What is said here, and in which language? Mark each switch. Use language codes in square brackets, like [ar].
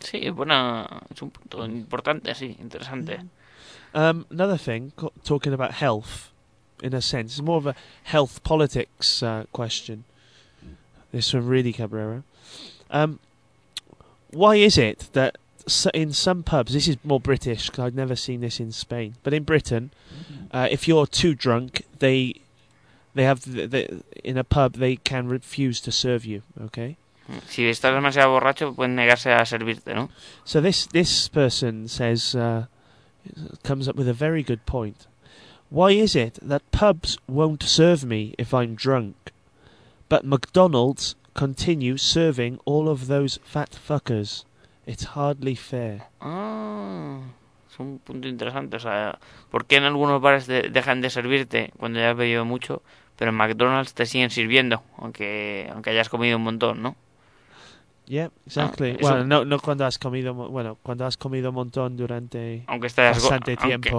[es] Sí, bueno, es un punto importante, sí, interesante. Mm. [en] Another thing, talking about health, in a sense, it's more of a health politics question. This from Rudy Cabrera. Why is it that in some pubs, this is more British, because I've never seen this in Spain, but in Britain, if you're too drunk, they have in a pub, they can refuse to serve you, okay? [es] Si estás demasiado borracho, pueden negarse a servirte, ¿no? [en] So this person says, comes up with a very good point. Why is it that pubs won't serve me if I'm drunk, but McDonald's continue serving all of those fat fuckers? It's hardly fair. [es] Es un punto interesante. O sea, ¿por qué en algunos bares dejan de servirte cuando ya has bebido mucho, pero en McDonald's te siguen sirviendo, aunque hayas comido un montón, ¿no? [en] Yeah, exactly. [es] Ah, bueno, no cuando has comido, bueno, cuando has comido un montón durante bastante tiempo.